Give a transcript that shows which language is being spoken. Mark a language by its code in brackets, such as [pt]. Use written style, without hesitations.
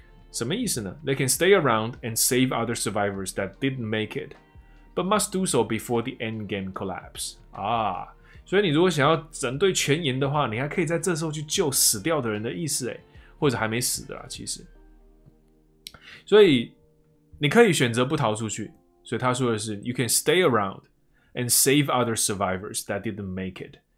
[zh] 什么意思呢 [en] ？They can stay around and save other survivors that didn't make it。 But must do so before the end game collapse. [zh] 啊，所以你如果想要整队全赢的话，你还可以在这时候去救死掉的人的意思，哎，或者还没死的啦，其实。所以你可以选择不逃出去。所以他说的是 ， [en] You can stay around and save other survivors that didn't make it.